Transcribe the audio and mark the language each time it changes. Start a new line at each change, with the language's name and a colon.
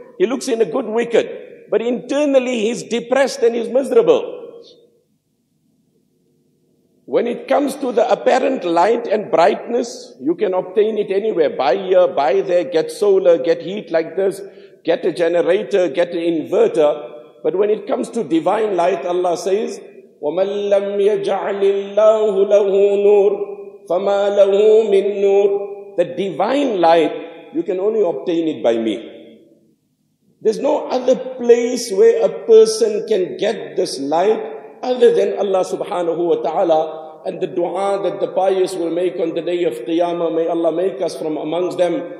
English: He looks in a good wicket. But internally, he's depressed and he's miserable. When it comes to the apparent light and brightness, you can obtain it anywhere. Buy here, buy there, get solar, get heat like this, get a generator, get an inverter. But when it comes to divine light, Allah says,
Arabic: وَمَنْ لَمْ يَجْعَلِ اللَّهُ لَهُ نُورٌ فَمَا لَهُ مِنْ نُورٌ.
English: The divine light, you can only obtain it by me. There's no other place where a person can get this light other than Allah subhanahu wa ta'ala. And the dua that the pious will make on the day of Qiyamah, may Allah make us from amongst them.